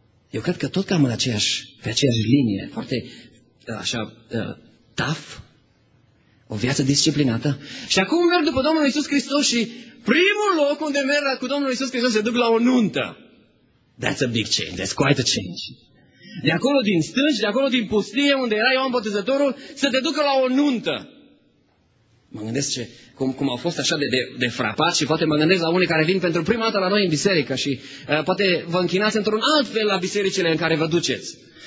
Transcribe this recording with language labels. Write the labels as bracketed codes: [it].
[ro] Eu cred că tot cam în aceeași, pe aceeași linie, foarte așa, tough, o viață disciplinată. Și acum merg după Domnul Iisus Hristos și primul loc unde merg cu Domnul Iisus Hristos se duc la o nuntă. [en] That's a big change, that's quite a change. [ro] De acolo din stânci, de acolo din pustie, unde era Ioan Botezătorul, să te ducă la o nuntă. Mă gândesc cum au fost așa de frapat și poate mă gândesc la unii care vin pentru prima dată la noi în biserică și poate vă închinați într-un alt fel la bisericile în care vă duceți.